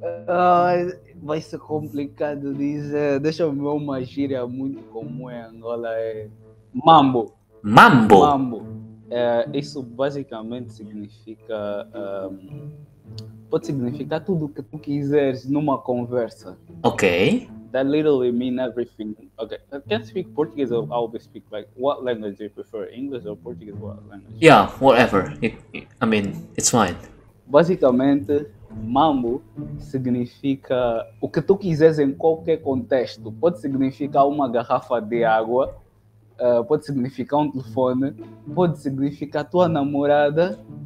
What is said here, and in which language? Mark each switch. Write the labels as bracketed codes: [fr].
[pt] Vai ser complicado dizer. Deixa eu ver uma gíria muito comum em Angola. É mambo. Mambo? Mambo. É, isso basicamente significa... pode significar tudo o que tu quiseres numa conversa. Ok. [en] That literally means everything. Okay, I can't speak Portuguese, I'll always speak like, what language do you prefer, English or Portuguese? What language? Yeah, whatever. I mean, it's fine. [pt] Basicamente, mambo significa o que tu quiseres em qualquer contexto. Pode significar uma garrafa de água, pode significar um telefone, pode significar tua namorada.